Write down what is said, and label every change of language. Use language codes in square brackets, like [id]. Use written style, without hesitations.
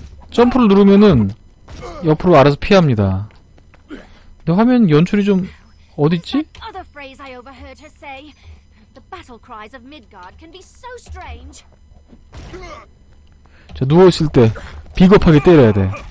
[ko] 점프를 누르면은 옆으로 알아서 피합니다. 내 화면 연출이 좀 어딨지? [en] Other phrase I overheard her say. The battle cries of Midgard can be so strange. [ko] 자, 누워있을 때 비겁하게 때려야 돼.